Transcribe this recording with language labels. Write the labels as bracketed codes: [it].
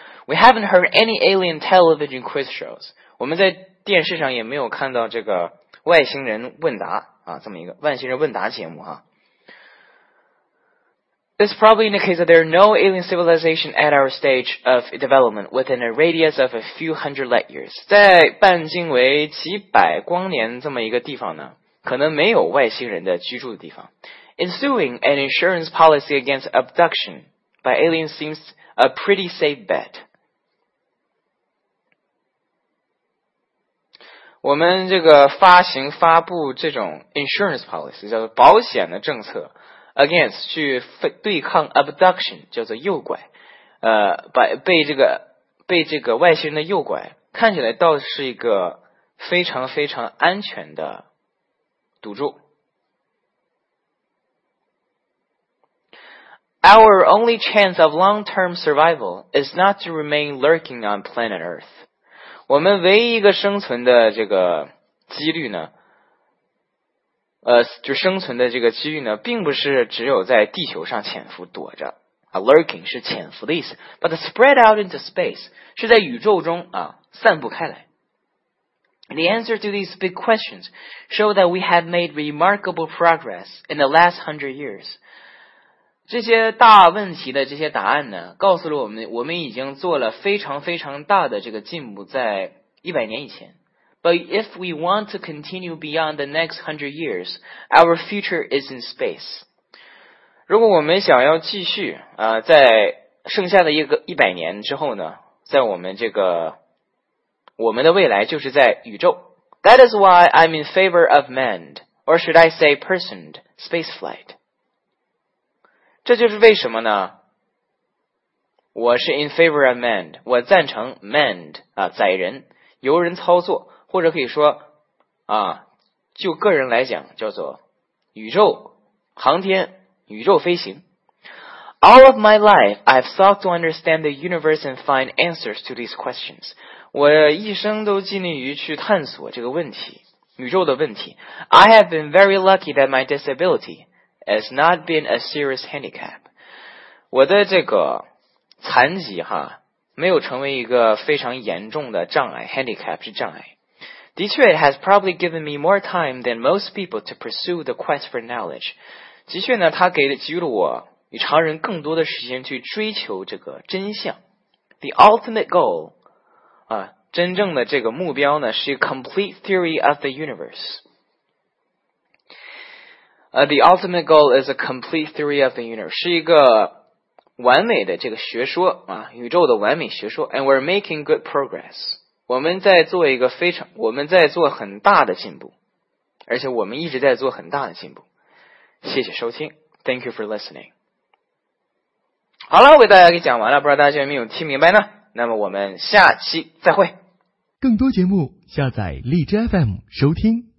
[en] We haven't heard any alien television quiz shows。 [zh] 我们在电视上也没有看到这个外星人问答啊，这么一个外星人问答节目啊。 [en] This probably indicates that there are no alien civilization at our stage of development within a radius of a few hundred light years. [zh] 在半径为几百光年这么一个地方呢，可能没有外星人的居住的地方。 [en] Ensuing an insurance policy against abduction by aliens seems a pretty safe bet. [zh] 我们这个发布这种 [en] insurance policy [zh] 叫做保险的政策。 Against 去对抗 abduction 叫做诱拐，被这个外星人的诱拐，看起来倒是一个非常非常安全的赌注。 [en] Our only chance of long-term survival is not to remain lurking on planet Earth. [zh] 我们唯一一个生存的这个几率呢？就生存的这个机遇呢，并不是只有在地球上潜伏躲着啊 ，lurking 是潜伏的意思 ， [en] but spread out into space [zh] 是在宇宙中啊散布开来。 [en] The answer to these big questions show that we have made remarkable progress in the last 100 years。 [zh] 这些大问题的这些答案呢，告诉了我们，我们已经做了非常非常大的这个进步，在100年以前。 [en] But if we want to continue beyond the next 100 years, our future is in space. [zh] 如果我们想要继续在剩下的100年之后呢，在我们的未来就是在宇宙。 [en] That is why I'm in favor of manned, or should I say personed, spaceflight. [zh] 这就是为什么呢？我是 [en] in favor of manned, [zh] 我赞成 manned, 载人，由人操作。或者可以说啊，就个人来讲叫做宇宙航天宇宙飞行。 [en] All of my life I've sought to understand the universe and find answers to these questions. [zh] 我一生都尽力于去探索这个问题，宇宙的问题。 [en] I have been very lucky that my disability has not been a serious handicap. [zh] 我的这个残疾哈，没有成为一个非常严重的障碍， handicap 是障碍。 [en] 的确 it has probably given me more time than most people to pursue the quest for knowledge. [zh] 的确呢，它给予了我与常人更多的时间去追求这个真相。 [en] The ultimate goal, [zh] 真正的这个目标呢，是 [en] complete theory of the universe. The ultimate goal is a complete theory of the universe, [zh] 是一个完美的这个学说啊，宇宙的完美学说。 [en] And we're making good progress. [zh] 我们在做很大的进步，而且我们一直在做很大的进步。谢谢收听 [en] ，Thank you for listening。 [zh] 好了，我给大家给讲完了，不知道大家有没有听明白呢？那么我们下期再会。更多节目下载荔枝 FM 收听。